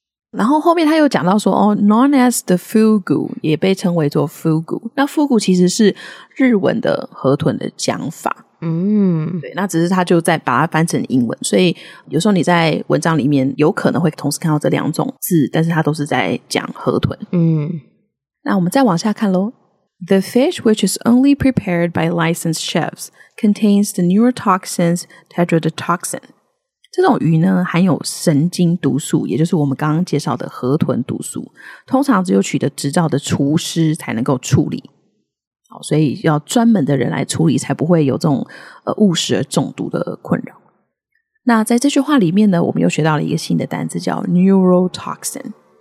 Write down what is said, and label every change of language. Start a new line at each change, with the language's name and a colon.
Chinese: 然后后面他又讲到说，哦 ，
English: known as the fugu，
Chinese: 也被称为做 fugu。那 fugu 其实是日文的河豚的讲法，嗯，对。那只是他就在把它翻成英文，所以有时候你在文章里面有可能会同时看到这两种字，但是他都是在讲河豚。嗯，那我们再往下看咯。
English: The fish, which is only prepared by licensed chefs, contains the neurotoxins tetrodotoxin.
Chinese: 这种鱼呢含有神经毒素，也就是我们刚刚介绍的河豚毒素，通常只有取得执照的厨师才能够处理，好，所以要专门的人来处理，才不会有这种误食而中毒的困扰。那在这句话里面呢，我们又学到了一个新的单字叫 neurotoxin。